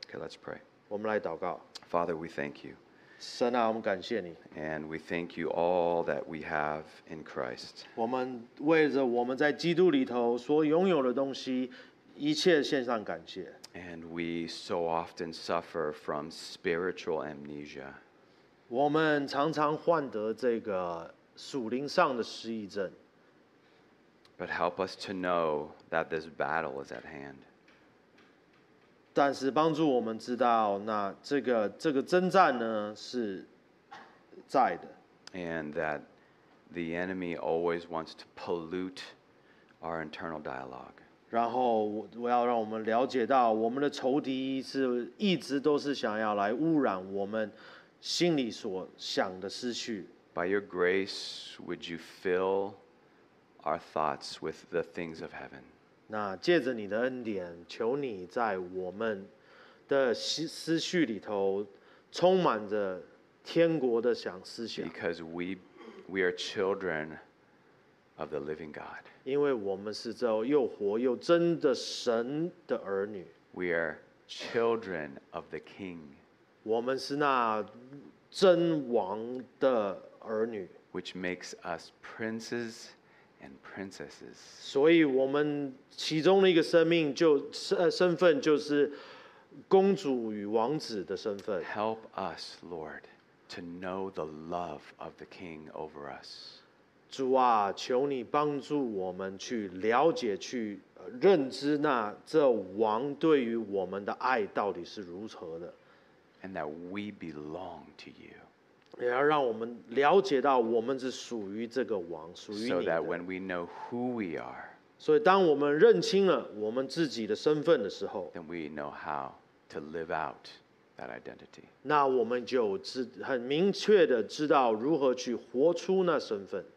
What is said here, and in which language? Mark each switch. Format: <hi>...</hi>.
<en>Okay, let's pray.</en> <zh>我们来祷告。</zh> <en>Father, we thank you.</en> <zh>神啊，我们感谢你。</zh> <en>And we thank you all that we have in Christ.</en> <zh>我们为着我们在基督里头所拥有的东西，一切献上感谢。</zh> <en>And we so often suffer from spiritual amnesia.</en> <zh>我们常常患得这个属灵上的失忆症。</zh> <en>But help us to know that this battle is at hand.</en> <zh>但是帮助我们知道，那这个征战呢是在的。</zh> <en>And that the enemy always wants to pollute our internal dialogue.</en> <zh>然后我要让我们了解到，我们的仇敌是一直都是想要来污染我们心里所想的思绪。</zh> <en>By your grace, would you fill our thoughts with the things of heaven?</en> <zh>那借着你的恩典，求你在我们的思绪里头充满着天国的想思想。</zh> <en>Because we are children of the living God.</en> <zh>因为我们是这又活又真的神的儿女。</zh> <en>We are children of the King.</en> <zh>我们是那真王的儿女。</zh> <en>Which makes us princes and princesses.</en> <zh>所以我们其中的一个生命就身份就是公主与王子的身份。</zh> <en>Help us, Lord, to know the love of the King over us.</en> <zh>主啊，求你帮助我们去了解、去认知那这王对于我们的爱到底是如何的。</zh> <en>And that we belong to you.</en> <zh>也要让我们了解到我们是属于这个王，属于你的。</zh> <en>So that when we know who we are.</en> <zh>所以当我们认清了我们自己的身份的时候</zh> <en>，then we know how to live out that identity.</en> <zh>那我们就很明确的知道如何去活出那身份。</zh>